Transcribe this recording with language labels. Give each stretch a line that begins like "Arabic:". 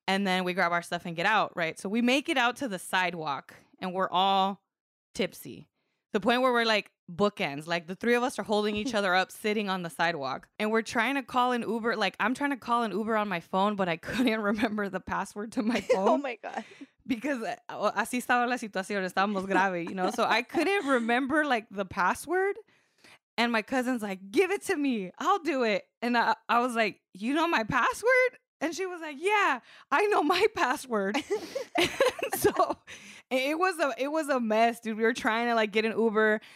English: And then we grab our stuff and get out, right? So we make it out to the sidewalk, and we're all tipsy. The point where we're, like, bookends, like, the three of us are holding each other up, sitting on the sidewalk, and we're trying to call an Uber. Like, I'm trying to call an Uber on my phone, but I couldn't remember the password to my phone. Oh, my God. Because
Spanish: así estaba la situación, estábamos grave,
English: you know? So I couldn't remember, like, the password. And my cousin's like, give it to me, I'll do it. And I was like, you know my password? And she was like, yeah, I know my password. So it was a mess, dude. We were trying to, like, get an Uber.